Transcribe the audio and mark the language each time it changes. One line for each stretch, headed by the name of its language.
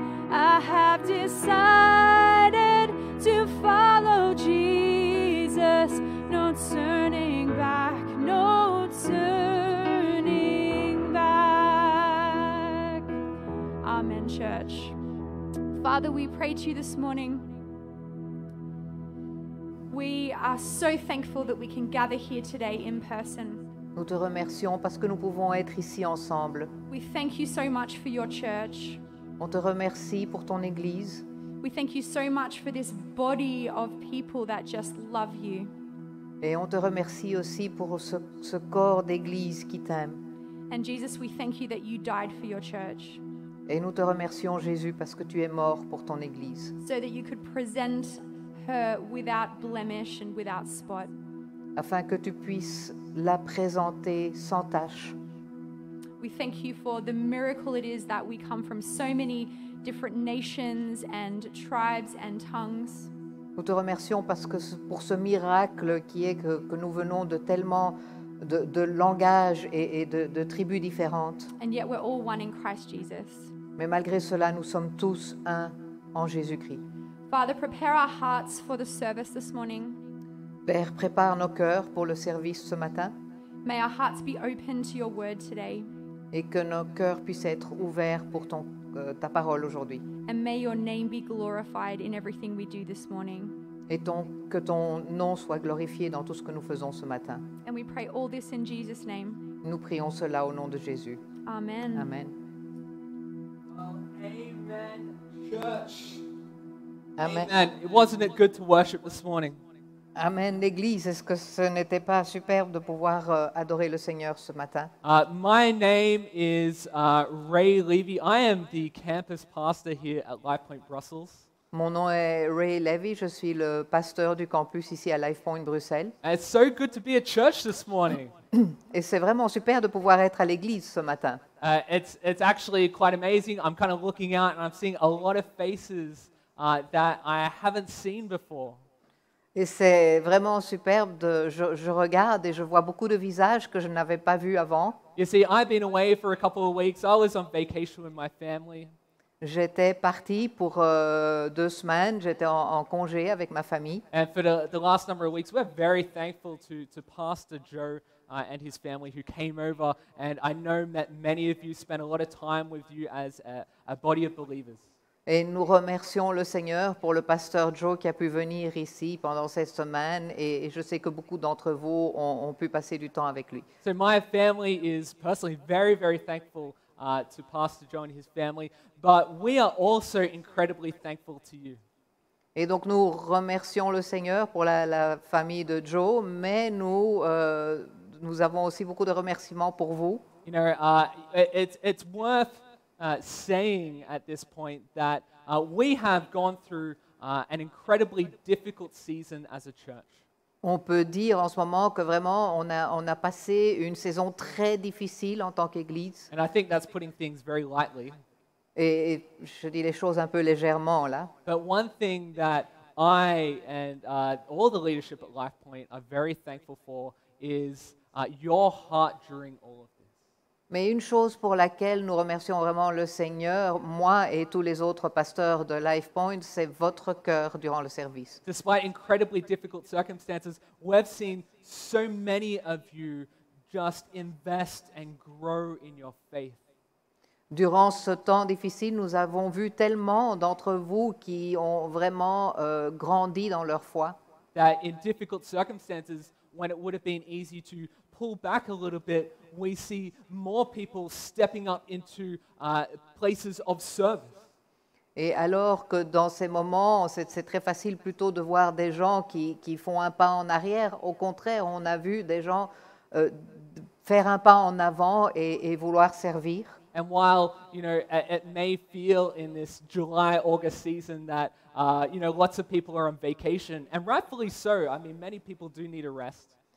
English: I have decided to follow Jesus, no turning back, no turning back. Amen, church. Father, we pray to you this morning. We are so thankful that we can gather here today in person.
French: Nous te remercions parce que nous pouvons être ici ensemble.
English: We thank you so much for your church.
French: On te remercie pour ton église.
English: We thank you so much for this body of people that just love you.
French: Et on te remercie aussi pour ce corps d'église qui t'aime.
English: And Jesus, we thank you that you died for your church.
French: Et nous te remercions Jésus parce que tu es mort pour ton église.
English: So that you could present her without blemish and without spot.
French: Afin que tu puisses la présenter sans tache.
English: We thank you for the miracle it is that we come from so many different nations and tribes and tongues.
French: Nous te remercions parce que pour ce miracle qui est que nous venons de tellement de langages et de tribus différentes.
English: And yet we're all one in Christ Jesus.
French: Mais malgré cela, nous sommes tous un en Jésus-Christ.
English: Father, prepare our hearts for the service this morning.
French: Père, prépare nos cœurs pour le service ce matin.
English: May our hearts be open to your word today.
French: Et que nos cœurs puissent être ouverts pour ta parole aujourd'hui.
English: And may your name be glorified in everything we do this morning.
French: Et que ton nom soit glorifié dans tout ce que nous faisons ce matin.
English: And we pray all this in Jesus' name.
French: Nous prions cela au nom de Jésus.
English: Amen. Amen. Amen, church. Amen. Wasn't it good to worship this morning?
French: Amen, l'église, est-ce que ce n'était pas superbe de pouvoir adorer le Seigneur ce matin?
English: My name is Ray Levy. I am the campus pastor here at LifePoint Brussels.
French: Mon nom est Ray Levy, je suis le pasteur du campus ici à LifePoint Bruxelles.
English: And it's so good to be at church this morning.
French: Et c'est vraiment super de pouvoir être à l'église ce matin.
English: It's actually quite amazing. I'm kind of looking out and I'm seeing a lot of faces that I haven't seen before.
French: Et c'est vraiment superbe. Je regarde et je vois beaucoup de visages que je n'avais pas vus avant.
English: You see, I've been away for a couple of weeks. I was on vacation with my family.
French: J'étais parti pour deux semaines. J'étais en congé avec ma famille.
English: And for the last number of weeks, we're very thankful to Pastor Joe and his family who came over. And I know that many of you spent a lot of time with you as a body of believers.
French: Et nous remercions le Seigneur pour le pasteur Joe qui a pu venir ici pendant cette semaine. Et je sais que beaucoup d'entre vous ont pu passer du temps avec lui.
English: So my family is personally very, very thankful to Pastor Joe and his family. But we are also incredibly thankful to you.
French: Et donc nous remercions le Seigneur pour la famille de Joe. Mais nous avons aussi beaucoup de remerciements pour vous.
English: You know, it's worth saying at this point that we have gone through an incredibly difficult season as a church.
French: On peut dire en ce moment que vraiment on a passé une saison très difficile en tant qu'église.
English: And I think that's putting things very lightly.
French: Et je dis les choses un peu légèrement là.
English: But one thing that I and all the leadership at LifePoint are very thankful for is your heart during all of this.
French: Mais une chose pour laquelle nous remercions vraiment le Seigneur, moi et tous les autres pasteurs de LifePoint, c'est votre cœur durant le service.
English: Despite incredibly difficult circumstances, we've seen so many of you just invest and grow in your faith.
French: Durant ce temps difficile, nous avons vu tellement d'entre vous qui ont vraiment grandi dans leur foi.
English: That in difficult circumstances, when it would have been easy to pull back a little bit, we see more people stepping up into places of service.
French: Et alors que dans ces moments, c'est très facile plutôt de voir des gens qui font un pas en arrière. Au contraire, on a vu des gens faire un pas en avant et vouloir servir.
English: And while, you know, it may feel in this July, August season that, you know, lots of people are on vacation, and rightfully so. I mean, many people do need a rest.